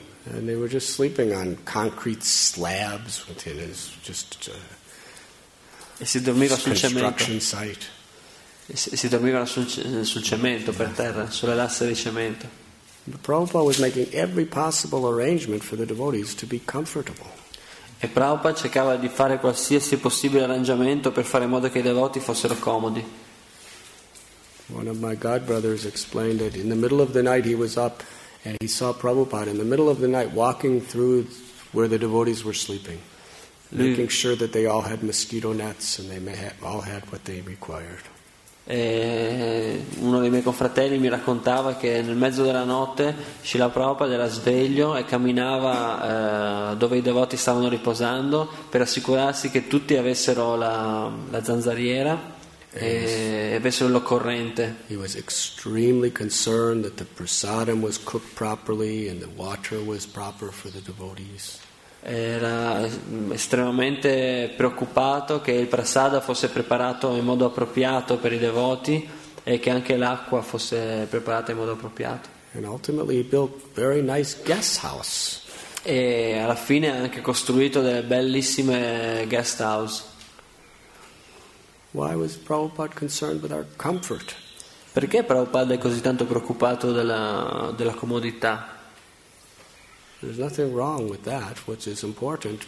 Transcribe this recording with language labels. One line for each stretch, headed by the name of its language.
English: And they were just sleeping on concrete slabs within his just
Italian: e si dormiva sul
English: construction site.
Italian: E si dormivano sul cemento, per terra, sulle lasse di cemento.
English: The Prabhupada was making every possible arrangement for the devotees to be comfortable.
Italian: E Prabhupada cercava di fare qualsiasi possibile arrangiamento per fare in modo che i devoti fossero comodi.
English: One of my god brothers explained that in the middle of the night he was up and he saw Prabhupada in the middle of the night walking through where the devotees were sleeping, making sure that they all had mosquito nets and they all had what they required.
Italian: E uno dei miei confratelli mi raccontava che nel mezzo della notte Srila Prabhupada era sveglio e camminava dove i devoti stavano riposando per assicurarsi che tutti avessero la zanzariera e avessero l'occorrente.
English: He was extremely concerned that the prasadam was cooked properly and the water was proper for the devotees.
Italian: Era estremamente preoccupato che il prasada fosse preparato in modo appropriato per i devoti e che anche l'acqua fosse preparata in modo appropriato.
English: and ultimately he built a very nice guest house.
Italian: E alla fine ha anche costruito delle bellissime guest house.
English: Why was Prabhupada concerned with our comfort?
Italian: Perché Prabhupada è così tanto preoccupato della comodità?
English: There's nothing wrong with that, which is important.